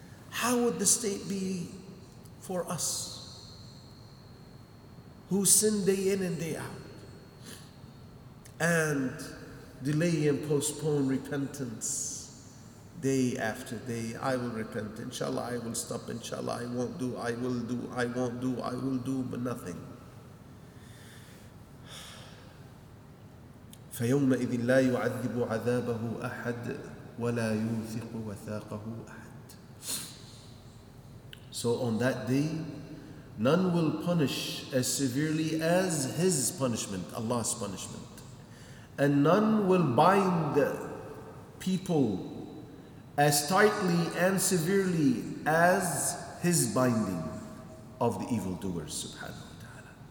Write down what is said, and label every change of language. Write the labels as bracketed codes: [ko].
[en] How would the state be for us who sin day in and day out and delay and postpone repentance day after day? I will repent, inshallah, I will stop, inshallah, I won't do, I will do, I won't do, I will do, but nothing. [ar] فيومئذ لا يعذب عذابه أحد ولا يوثق وثاقه أحد. [en] So on that day, none will punish as severely as his punishment, Allah's punishment. And none will bind people as tightly and severely as his binding of the evildoers, subhanahu wa ta'ala.